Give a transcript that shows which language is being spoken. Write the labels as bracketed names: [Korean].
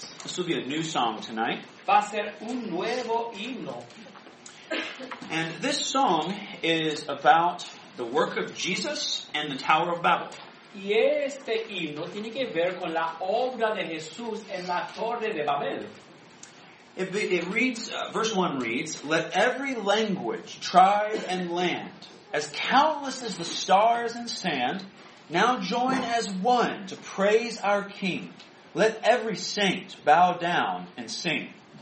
[English] This will be a new song tonight. [Spanish] Va a ser un nuevo himno. [English] And this song is about the work of Jesus and the Tower of Babel. [Spanish] Y este himno tiene que ver con la obra de Jesús en la Torre de Babel. [English] Verse 1 reads, "Let every language, tribe, and land, as countless as the stars and sand, now join as one to praise our King. Let every saint bow down and sing."